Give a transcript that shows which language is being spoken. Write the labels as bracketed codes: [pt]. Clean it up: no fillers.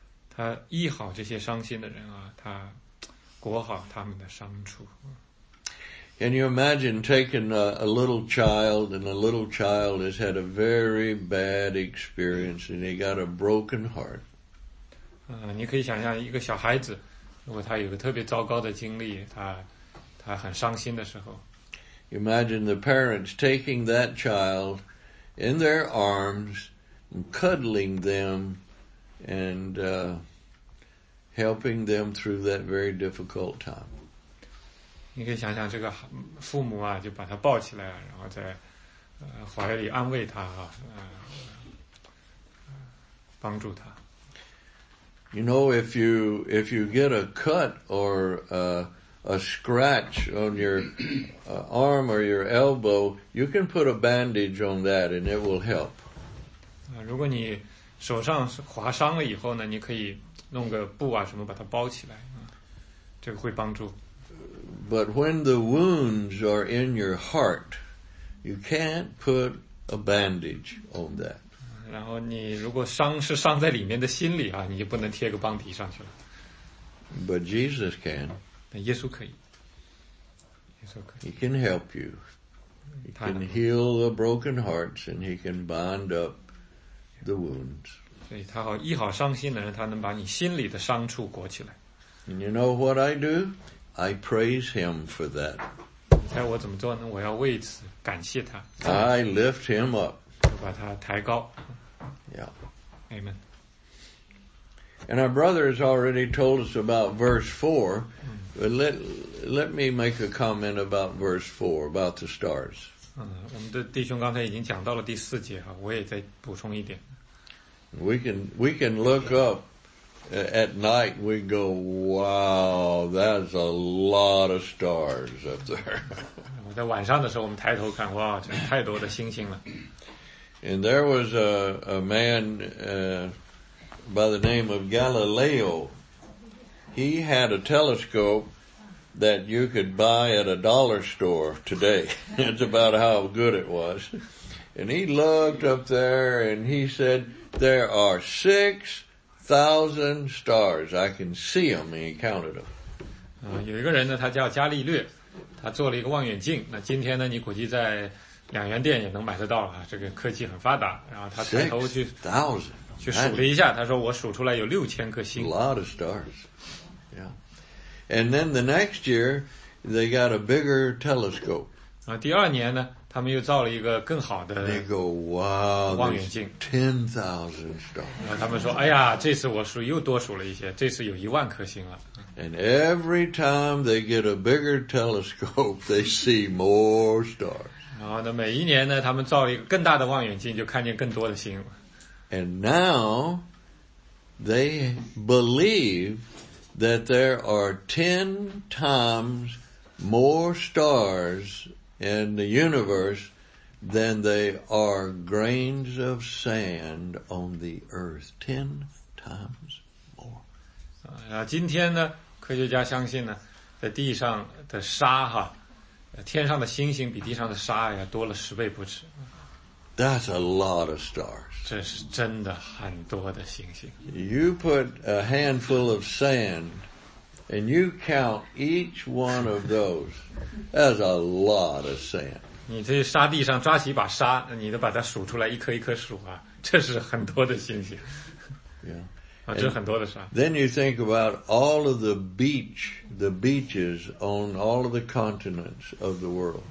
[zh] 他医好这些伤心的人啊，他裹好他们的伤处。 [en] Can you imagine taking a little child and a little child has had a very bad experience and he got a broken heart? [zh] 你可以想象一个小孩子，如果他有个特别糟糕的经历，他很伤心的时候。 [en] Imagine the parents taking that child in their arms and cuddling them and helping them through that very difficult time. [zh] 你可以想想这个父母啊，就把他抱起来，然后在怀里安慰他啊，帮助他。 [en] You know, if you get a cut or a scratch on your arm or your elbow, you can put a bandage on that and it will help. [zh] 如果你手上划伤了以后呢，你可以弄个布啊什么把它包起来，这个会帮助。 [en] But when the wounds are in your heart, you can't put a bandage on that. [zh] 然后你如果伤是伤在里面的心里啊，你就不能贴个邦迪上去了。 [en] But Jesus can. [zh] 耶稣可以，耶稣可以。 [en] He can help you. He can heal the broken hearts, and he can bind up the wounds. [zh] 所以他好医好伤心的人，他能把你心里的伤处裹起来。 [en] And you know what I do? I praise him for that. [zh] 你猜我怎么做呢？我要为此感谢他。 [en] I lift him up. [zh] 我把他抬高。 [en] Yeah. Amen. And our brother has already told us about verse 4. But let me make a comment about verse 4, about the stars. [zh] 我们的弟兄刚才已经讲到了第四节啊，我也再补充一点。 [en] We can look up at night, we go, wow, that's a lot of stars up there. [zh] 在晚上的时候我们抬头看，哇，这太多的星星了。 [en] And there was a man by the name of Galileo. He had a telescope that you could buy at a dollar store today. That's about how good it was. And he looked up there and he said, there are 6,000 stars. I can see them. And he counted them. [zh] 有一个人呢，他叫伽利略，他做了一个望远镜。那今天呢，你估计在两元店也能买得到了，这个科技很发达。然后他抬头去 [en] 6,000 [zh] 去数了一下，他说我数出来有6,000颗星。 [en] A lot of stars. Yeah. And then the next year, they got a bigger telescope. [zh] 第二年呢，他们又造了一个更好的 [en] 望远镜。They go, wow, 10,000 stars. [zh] 他们说，哎呀，这次我数又多数了一些，这次有10,000颗星了。 [en] And every time they get a bigger telescope, they see more stars. [zh] 然后呢，每一年呢，他们造了一个更大的望远镜，就看见更多的星。 [en] And now, they believe that there are 10 times more stars in the universe than there are grains of sand on the earth. 10 times more. [zh] 然后今天呢，科学家相信呢，在地上的沙哈，天上的星星比地上的沙呀多了10倍不止。 [en] That's a lot of stars. [zh] 这是真的很多的星星。 [en] You put a handful of sand and you count each one of those. That's a lot of sand. [zh] 你在沙地上抓起一把沙，你都把它数出来，一颗一颗数啊，这是很多的星星。 [en] Yeah. Then you think about all of the beaches on all of the continents of the world.